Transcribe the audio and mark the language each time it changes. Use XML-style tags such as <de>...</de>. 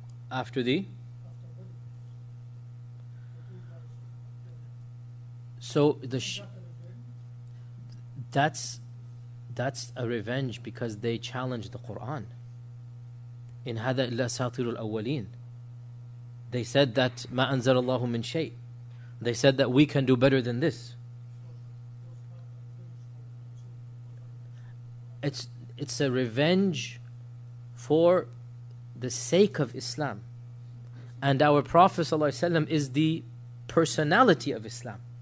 <en>After the, so the, that's a revenge because they challenged the Quran.</en> <ar>In هذا إلا ساطر الأولين,</ar> <en>they said that</en> <ar>ما أنزل الله من شيء.</ar> <en>They said that we can do better than this. It's a revenge for the sake of Islam. And our Prophet Sallallahu Alaihi Wasallam is the personality of Islam.</en>